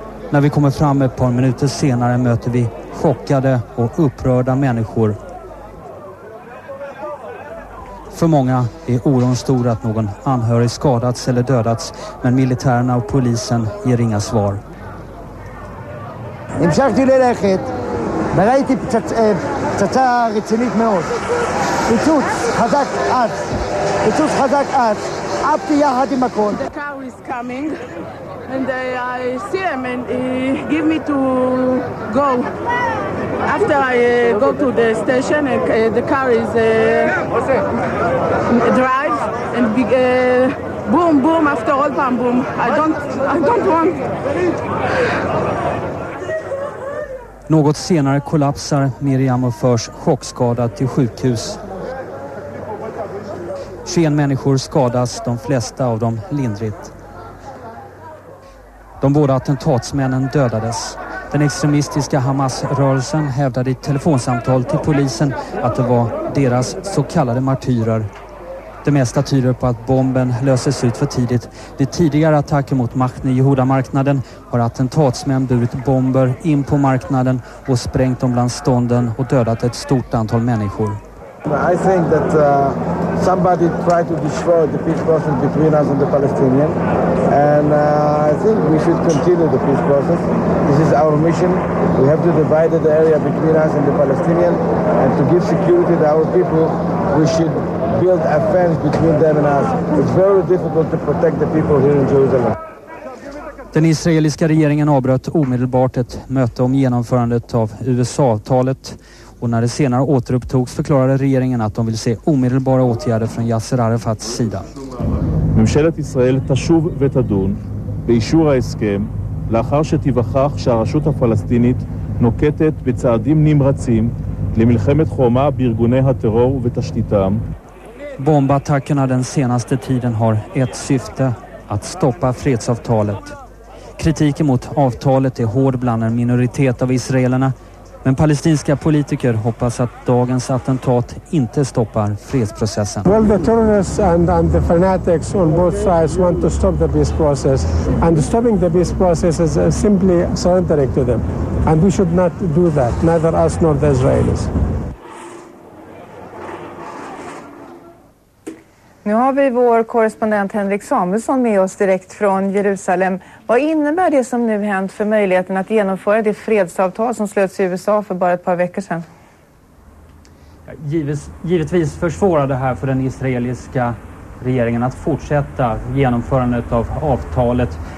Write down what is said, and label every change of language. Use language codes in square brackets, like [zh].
[sv] När vi kommer fram ett par minuter senare möter vi chockade och upprörda människor. För många är oron stor att någon anhörig skadats eller dödats, men militärerna och polisen ger inga svar. [he] המשכתי ללכת, וראיתי פצצה רצינית מאוד. פיצוץ חזק עד, פיצוץ חזק עד, עפתי יחד עם הכל. [en] The car is coming, and I see them, and he give me to go. After I go to the station, the car is drive, and boom, boom, after all, bam, boom. I don't want... [sv] Något senare kollapsar Miriam och förs chockskadad till sjukhus. 21 människor skadas, de flesta av dem lindrigt. De båda attentatsmännen dödades. Den extremistiska Hamas-rörelsen hävdade i telefonsamtal till polisen att det var deras så kallade martyrer. Det mesta tyder på att bomben löses ut för tidigt. Vid tidigare attacker mot Machne Yehuda-marknaden har attentatsmän burit bomber in på marknaden och sprängt dem bland stånden och dödat ett stort antal människor. [en] I think that somebody tried to destroy the peace process between us and the Palestinians, and I think we should continue the peace process. This is our mission. We have to divide the area between us and the Palestinians, and to give security to our people, we should build a fence between them and us. It's very difficult to protect the people here in Jerusalem. [sv] Den israeliska regeringen avbröt omedelbart ett möte om genomförandet av USA-avtalet. Och när det senare återupptogs förklarade regeringen att de vill se omedelbara åtgärder från Yasser Arafats sida. [he] ממשלת ישראל תשוב ותדון באישור ההסכם לאחר שתיווכח שהרשות הפלסטינית נוקטת בצעדים נמרצים למלחמת חומה בארגוני הטרור ותשתיתם. [sv] Bombattackerna den senaste tiden har ett syfte, att stoppa fredsavtalet. Kritiken mot avtalet är hård bland en minoritet av israelerna. Men palestinska politiker hoppas att dagens attentat inte stoppar fredsprocessen. [en] Well, the terrorists and the fanatics on both sides want to stop the peace process, and stopping the peace process is simply surrendering to them, and we should not do that, neither us nor the Israelis. [sv] Nu har vi vår korrespondent Henrik Samuelsson med oss direkt från Jerusalem. Vad innebär det som nu hänt för möjligheten att genomföra det fredsavtal som slöts i USA för bara ett par veckor sedan? Givetvis försvårar det här för den israeliska regeringen att fortsätta genomförandet av avtalet.